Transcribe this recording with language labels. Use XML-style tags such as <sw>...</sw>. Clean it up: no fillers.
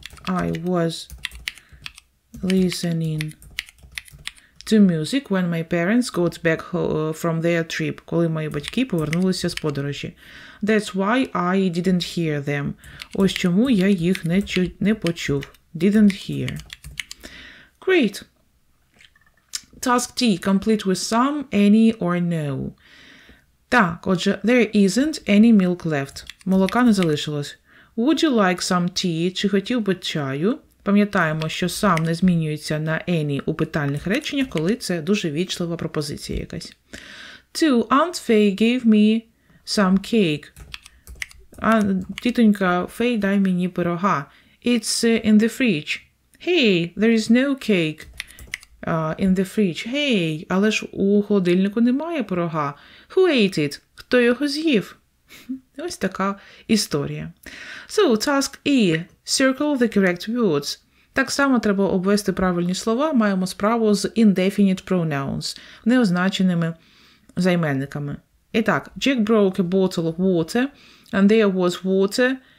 <en>I was listening to music when my parents got back from their trip.</en> <uk>Коли мої батьки повернулися з подорожі.</uk> <en>That's why I didn't hear them.</en> <uk>Ось чому я їх не почув.</uk> <en>Didn't hear. Great. Task T. Complete with some, any or no.</en> <uk>Так, отже,</uk> <en>there isn't any milk left.</en> <uk>Молока не залишилось.</uk> <en>Would you like some tea?</en> <uk>Чи хотів би чаю? Пам'ятаємо, що сам не змінюється на any у питальних реченнях, коли це дуже вічлива пропозиція якась.</uk> <en>Two. Aunt Faye gave me some cake.</en> <uk>Тітонька Фей, дай мені пирога.</uk> <en>It's in the fridge. Hey, there is no cake in the fridge.</en> <uk>Hey, але ж у холодильнику немає пирога.</uk> <en>Who ate it?</en> <uk>Хто його з'їв? Ось така історія.</uk> <en>So, task E. Circle the correct words.</en> <uk>Так само треба обвести правильні слова. Маємо справу з</uk> <en>indefinite pronouns,</en> <uk>неозначеними займенниками. І так,</uk> <en>Jack broke a bottle of water, and there was water</en>